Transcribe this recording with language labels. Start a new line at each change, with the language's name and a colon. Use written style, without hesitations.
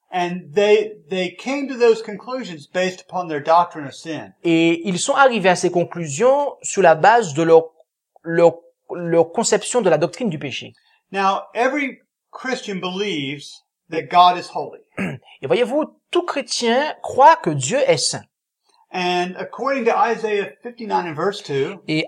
English: And they came to those conclusions based upon their doctrine of sin.
French: Et ils sont arrivés à ces conclusions sur la base de leur conception de la doctrine du péché.
English: Now every Christian believes that God is holy.
French: Et voyez-vous, tout chrétien croit que Dieu est saint.
English: And according to Isaiah 59 and verse 2,